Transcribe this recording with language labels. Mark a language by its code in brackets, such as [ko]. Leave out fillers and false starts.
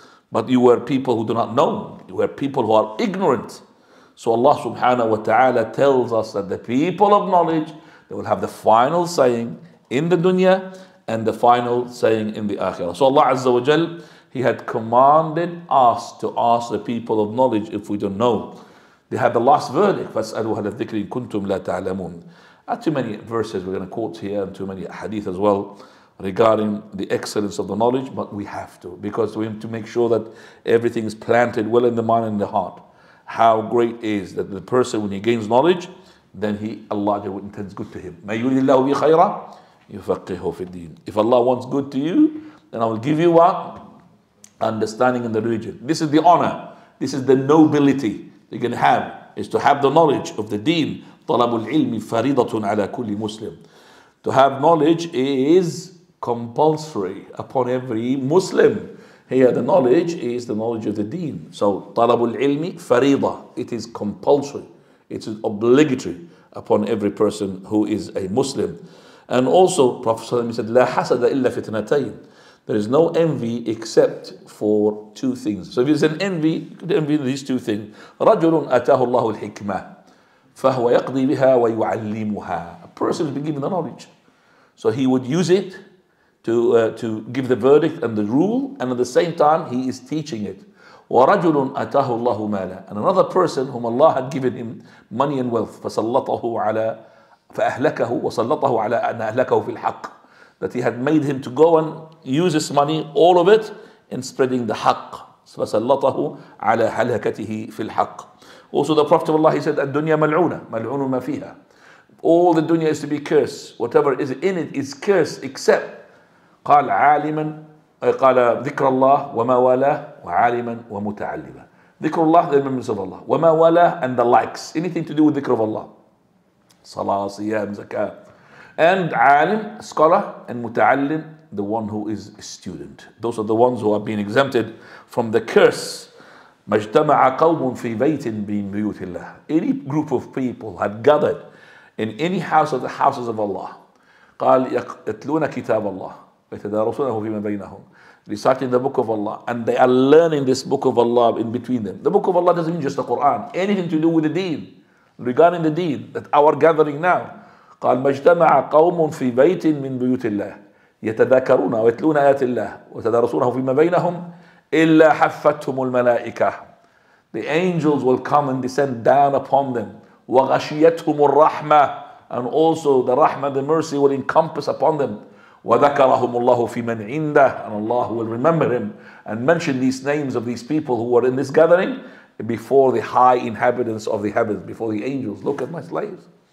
[en] But you were people who do not know. You were people who are ignorant. So Allah subhanahu wa ta'ala tells us that the people of knowledge, they will have the final saying in the dunya and the final saying in the akhirah. So Allah azza wa jal, he had commanded us to ask the people of knowledge if we don't know. They had the last verdict, [ar] فَاسْأَلُوا هَلَ الذِّكْرِ إِن كُنْتُمْ لَا تَعْلَمُونَ. [en] Too many verses we're going to quote here, and too many hadith as well regarding the excellence of the knowledge, but we have to, because we have to make sure that everything is planted well in the mind and the heart. How great is that the person when he gains knowledge, then he, Allah intends good to him. [ar] May yuridi Allahu bi khayra yufaqqihu fi ddin. [en] If Allah wants good to you, then I will give you what? Understanding in the religion. This is the honor. This is the nobility you can have, is to have the knowledge of the deen. [ar] Talabul ilmi faridatun ala kulli muslim. [en] To have knowledge is compulsory upon every Muslim. Here, the knowledge is the knowledge of the deen. So, [ar] talabul ilmi farida. [en] It is compulsory. It is obligatory upon every person who is a Muslim. And also, Prophet said, [ar] لا حسد إلا فتنتين. [en] There is no envy except for two things. So, if there's an envy, you could envy these two things. [ar] رجل أتاه الله الحكمة فهو يقضي بها ويعلمها. [en] A person has been given the knowledge. So, he would use it to give the verdict and the rule, and at the same time he is teaching it. [ar] وَرَجُلٌ أَتَاهُ اللَّهُ مَالًا. [en] And another person whom Allah had given him money and wealth, [ar] فَسَلَّطَهُ عَلَىٰ أَنْ أَهْلَكَهُ فِي الْحَقِّ. [en] That he had made him to go and use his money, all of it, in spreading the haqq. [ar] فَسَلَّطَهُ عَلَىٰ هَلَكَتِهِ فِي الْحَقِّ. [en] Also the Prophet of Allah, he said, [ar] الدُّنْيَا مَلْعُونَ مَلْعُونُ مَا فِيهَا. [en] All the dunya is to be cursed. Whatever is in it is cursed, except [ar] قال عالما أي قال ذكر الله وما والاه وعالما ومتعلما. ذكر الله, [en] the remembrance of Allah, [ar] وما والاه, [en] and the likes, anything to do with ذكر of Allah, [ar] صلاة صيام زكاة, [en] and عالم, scholar, and متعلم, the one who is a student. Those are the ones who are being exempted from the curse. [ar] مجتمع قوم في بيت من بيوت الله. [en] Any group of people had gathered in any house of the houses of Allah. [ar] قال يتلون كتاب الله ويتدارسونه فيما بينهم. [en] Reciting the book of Allah, and they are learning this book of Allah in between them. The book of Allah doesn't mean just the Quran, anything to do with the deen, regarding the deen, that our gathering now. [ar] قال مجتمع قوم في بيت من بيوت الله يتذاكرون ويتلون آيات الله ويتدارسونه فيما بينهم إلا حفتهم الملائكة. [en] The angels will come and descend down upon them. [ar] وغشيتهم الرحمة. [en] and also the rahmah, the mercy will encompass upon them. [ar] وَذَكَرَهُمُ اللَّهُ فِي مَنْ عِنْدَهُ, [en] and Allah will remember him and mention these names of these people who were in this gathering before the high inhabitants of the heavens, before the angels. Look at my slaves.